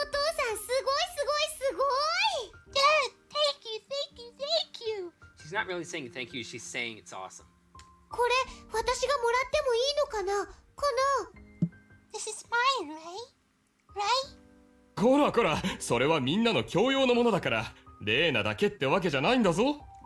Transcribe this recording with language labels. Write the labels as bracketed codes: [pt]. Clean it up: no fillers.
[ja] お父さん、すごいすごいすごい! [en] Dad, thank you, thank you, thank you! She's not really saying thank you, she's saying it's awesome. [ja] これ、私がもらってもいいのかな? この… [en] This is mine, right? Right? [ja] こらこら、それはみんなの共用のものだから、レーナだけってわけじゃないんだぞ!